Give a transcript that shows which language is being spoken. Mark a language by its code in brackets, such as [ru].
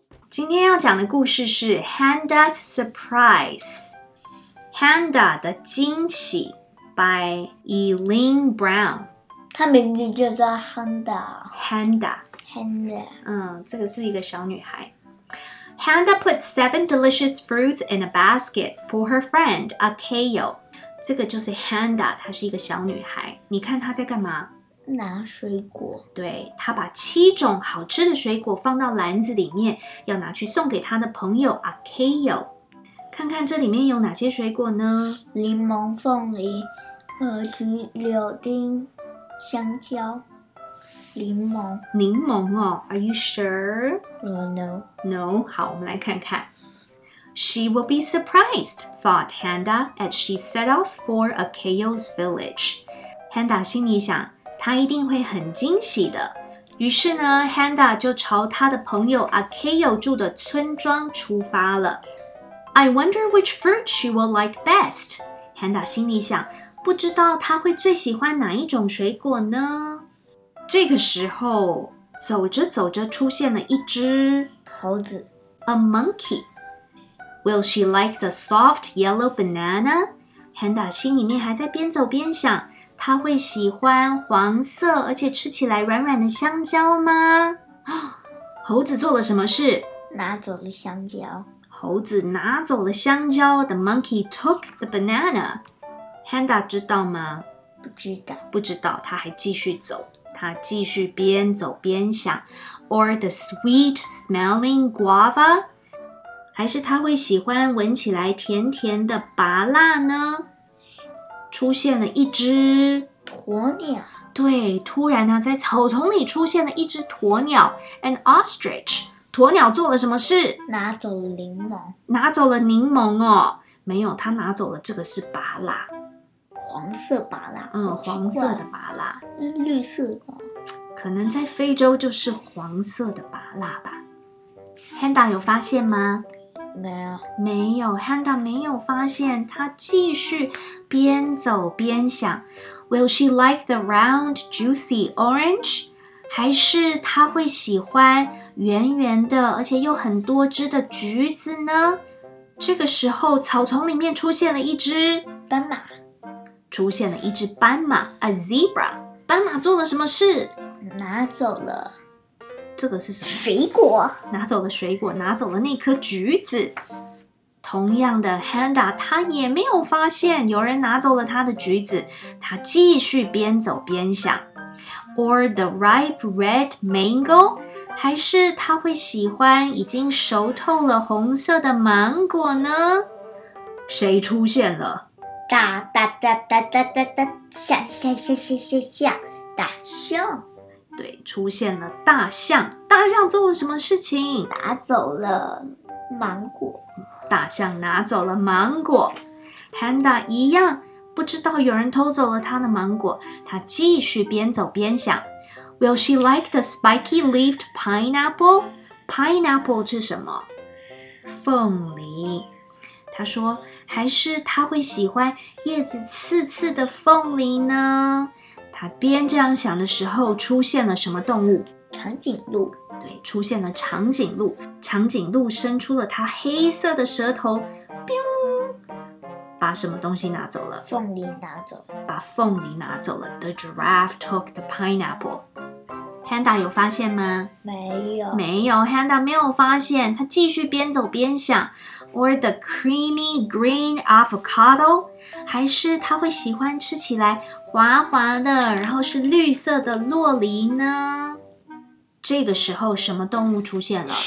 [zh] 今天要讲的故事是 Handa's Surprise， Handa 的惊喜 ， [en] by Eileen Brown。 [zh] 她名字叫做 Handa。 Handa。 Handa。这个是一个小女孩。 [en] Handa put 7 delicious fruits in a basket for her friend, Akeo. [zh] 这个就是 Handa, 她是一个小女孩。你看她在干嘛？拿水果。对，她把七种好吃的水果放到篮子里面，要拿去送给她的朋友 Akeo。看看这里面有哪些水果呢？柠檬、凤梨、和橘、柳丁、香蕉。柠檬，柠檬哦 [en] ，Are you sure? No. [zh] 好，我们来看看。 [en] She will be surprised, thought Handa, as she set off for Akeo's village. [zh] Handa 心里想，她一定会很惊喜的。于是呢 ，Handa 就朝她的朋友 Akeo 住的村庄出发了。 [en] I wonder which fruit she will like best. [zh] Handa 心里想，不知道她会最喜欢哪一种水果呢？这个时候，走着走着出现了一只猴子 [en] ，a monkey. Will she like the soft yellow banana? [zh] Handa 心里面还在边走边想，她会喜欢黄色而且吃起来软软的香蕉吗？猴子做了什么事？拿走了香蕉。猴子拿走了香蕉 ， [en] the monkey took the banana. [zh] Handa 知道吗？不知道。不知道，他还继续走。他继续边走边想 ， [en] or the sweet smelling guava， [zh] 还是他会喜欢闻起来甜甜的芭乐呢？出现了一只鸵鸟。对，突然呢，在草丛里出现了一只鸵鸟 ， [en] an ostrich。 [zh] 鸵鸟做了什么事？拿走了柠檬。拿走了柠檬哦？没有，他拿走了这个是芭乐。黄色芭乐，黄色的芭乐，绿色的，可能在非洲就是黄色的芭乐吧。 Handa 有发现吗？没有，没有 ，Handa 没有发现。他继续边走边想 [en] ，Will she like the round juicy orange？ [zh] 还是他会喜欢圆圆的，而且又很多汁的橘子呢？这个时候，草丛里面出现了一只斑马。出现了一只斑马 ， [en] a zebra。 [zh] 斑马做了什么事？拿走了这个是什么？水果。拿走了水果，拿走了那颗橘子。同样的 ，Handa 他也没有发现有人拿走了他的橘子。他继续边走边想 ， [en] or the ripe red mango， [zh] 还是他会喜欢已经熟透了红色的芒果呢？谁出现了？哒哒哒哒哒哒哒，吓吓吓吓吓吓！大象，对，出现了大象。大象做了什么事情？拿走了芒果。大象拿走了芒果。 Handa 一样不知道有人偷走了他的芒果。他继续边走边想 [en] ：Will she like the spiky-leaved pineapple? [zh] Pineapple 是什么？凤梨。他说。还是他会喜欢叶子刺刺的凤梨呢？他边这样想的时候，出现了什么动物？长颈鹿。对，出现了长颈鹿。长颈鹿伸出了它黑色的舌头，把什么东西拿走了？凤梨拿走了。把凤梨拿走了。 [en] The giraffe took the pineapple. [zh] Handa 有发现吗？没有。没有， Handa 没有发现。他继续边走边想。 [en] Or the creamy green avocado? [zh] 还是他会喜欢吃起来滑滑的，然后是绿色的洛梨呢？这个时候什么动物出现了？